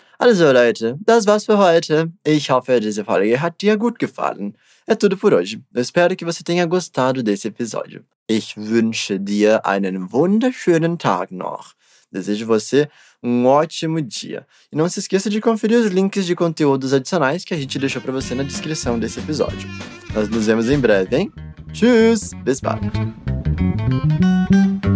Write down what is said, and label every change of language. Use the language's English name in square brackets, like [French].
[German] Also Leute, das war's für heute. Ich hoffe, diese Folge hat dir gut gefallen. [Portuguese] É tudo por hoje. Eu espero que você tenha gostado desse episódio. [German] Ich wünsche dir einen wunderschönen Tag noch. [Portuguese] Desejo você um ótimo dia. E não se esqueça de conferir os links de conteúdos adicionais que a gente deixou para você na descrição desse episódio. Nós nos vemos em breve, hein? [German] Tschüss! Bis bald!